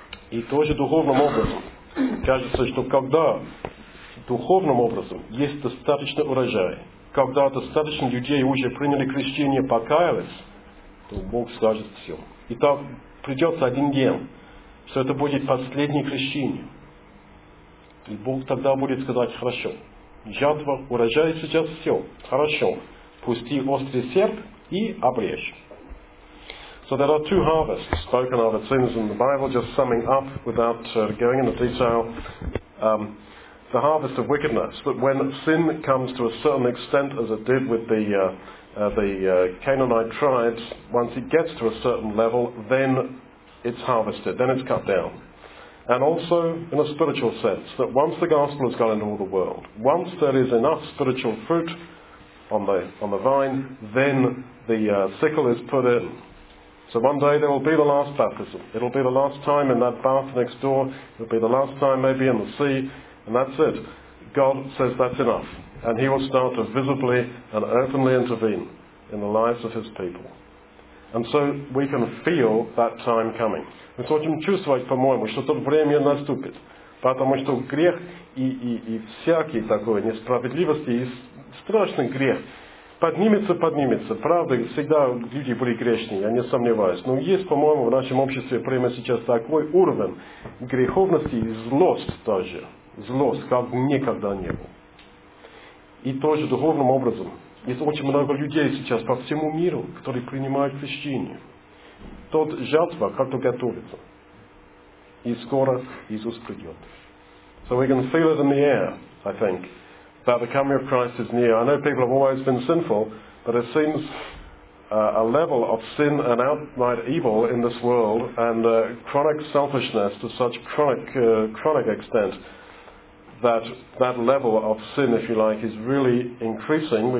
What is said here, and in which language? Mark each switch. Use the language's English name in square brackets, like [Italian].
[Russian] И тоже духовным образом. Кажется, что когда духовным образом есть достаточно урожая, когда достаточно людей уже приняли крещение, покаялись, то Бог скажет все. И так придется один день, что это будет последнее крещение. И Бог тогда будет сказать, хорошо, жатва, урожай сейчас все, хорошо, пусти острый серп и обрежь. [English] So there are two harvests spoken of, it seems in the Bible, just summing up without going into detail. The harvest of wickedness, that when sin comes to a certain extent, as it did with the Canaanite tribes, once it gets to a certain level, then it's harvested, then it's cut down. And also, in a spiritual sense, that once the gospel has gone into all the world, once there is enough spiritual fruit on the vine, then the sickle is put in. So one day there will be the last baptism. It'll be the last time in that bath next door. It'll be the last time maybe in the sea. And that's it. God says that's enough. And he will start to visibly and openly intervene in the lives of his people. And so we can feel that time coming. [Russian] Мы сможем чувствовать, по-моему, что то время наступит. Потому что грех и всякие такой несправедливости и страшный грех поднимется. Правда, всегда люди были грешные, я не сомневаюсь. Но есть, по-моему, в нашем обществе прямо сейчас такой уровень греховности и злость даже. Злость, как никогда не было. И тоже духовным образом. Есть очень много людей сейчас по всему миру, которые принимают крещение. Тот жатва как-то готовится. И скоро Иисус придет. [English] So we can feel it in the air, I think, that the coming of Christ is near. I know people have always been sinful, but it seems a level of sin and outright evil in this world and chronic selfishness to such chronic extent that level of sin, if you like, is really increasing.